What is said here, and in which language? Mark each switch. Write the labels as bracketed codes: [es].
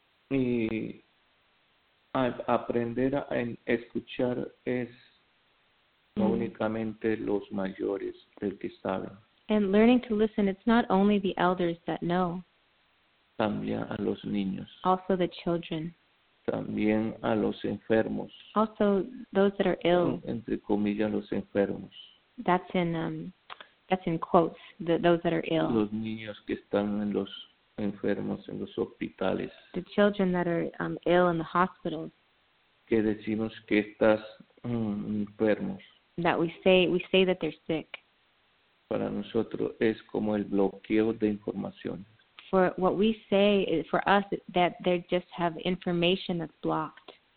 [es] Y aprender a escuchar es no únicamente los mayores el que saben. [en] And learning to listen, it's not only the elders that know. [es] También a los niños. [en] Also the children. [es] También a los enfermos. [en] Also those that are ill. [es] Entre comillas, los enfermos. [en] That's in quotes, those that are ill. [es] Los niños que están en los enfermos en los hospitales. [en] The children that are ill in the hospitals. [es] Que decimos que estás enfermos. [en] That we say that they're sick. [es] Para nosotros es como el bloqueo de información. [en] For what we say, for us, that they just have information that's blocked.